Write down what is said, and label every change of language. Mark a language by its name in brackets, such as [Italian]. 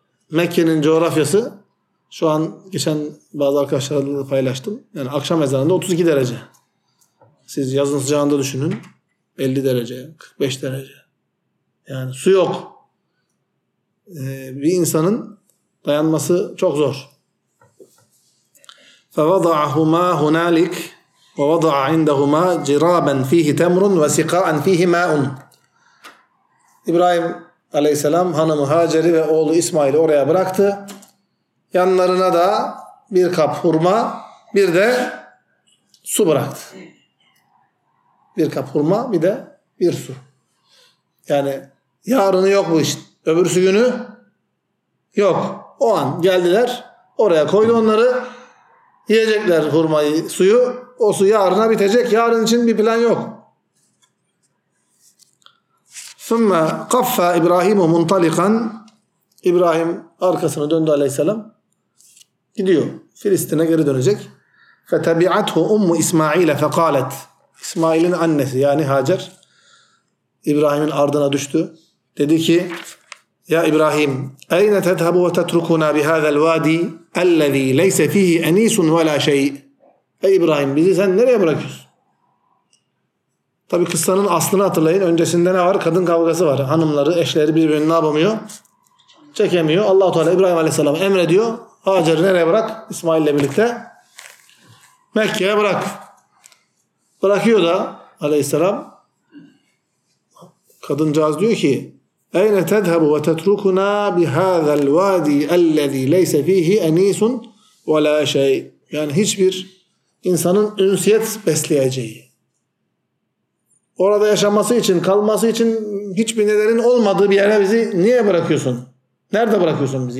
[Turkish] Mekke'nin coğrafyası, şu an geçen bazı arkadaşlarla paylaştım. Yani akşam ezanında 32 derece. Siz yazın sıcağında düşünün. 50 derece, 45 derece. Yani su yok. Bir insanın dayanması çok zor. [Arabic] فَوَضَعَهُمَا هُنَالِكَ وَوَضَعَ عِنْدَهُمَا جِرَابًا ف۪يهِ تَمْرٌ وَسِقَاءً ف۪يهِ مَاءٌ [Turkish] İbrahim Aleyhisselam hanımı Hacer'i ve oğlu İsmail'i oraya bıraktı. Yanlarına da bir kap hurma, bir de su bıraktı. Bir kap hurma, bir de bir su. Yani yarını yok bu işin. Öbürsü günü yok. O an geldiler, oraya koydu onları. Yiyecekler hurmayı, suyu. O su yarına bitecek. Yarın için bir plan yok. [Arabic] Sümme kaffa İbrahim'u muntalikan. [Turkish] İbrahim arkasını döndü Aleyhisselam. Gidiyor. Filistin'e geri dönecek. [Arabic] Fetebi'athu ummu İsmail'e fekalet. [Turkish] İsmail'in annesi, yani Hacer, İbrahim'in ardına düştü. Dedi ki, ya İbrahim, [Arabic] اَيْنَ تَذْهَبُ وَتَتْرُكُنَا بِهَذَا الْوَادِي اَلَّذ۪ي لَيْسَ ف۪يهِ اَن۪يسٌ وَلَا شَيْءٍ [Turkish] Ey İbrahim, bizi sen nereye bırakıyorsun? Tabi kıssanın aslını hatırlayın. Öncesinde ne var? Kadın kavgası var. Hanımları, eşleri birbirini ne yapamıyor? Çekemiyor. Allah-u Teala İbrahim Aleyhisselam emrediyor. Hacer'i nereye bırak? İsmail'le birlikte. Mekke'ye bırak. Bırakıyor da Aleyhisselam, kadıncağız diyor ki, [Arabic] اَيْنَ تَذْهَبُ وَتَتْرُكُنَا بِهَذَا الْوَادِي أَلَّذ۪ي لَيْسَ ف۪يهِ اَن۪يسٌ وَلَا شَيْءٍ [Turkish] Yani hiçbir insanın ünsiyet besleyeceği, orada yaşaması için, kalması için hiçbir nedenin olmadığı bir yere bizi niye bırakıyorsun? Nerede bırakıyorsun bizi?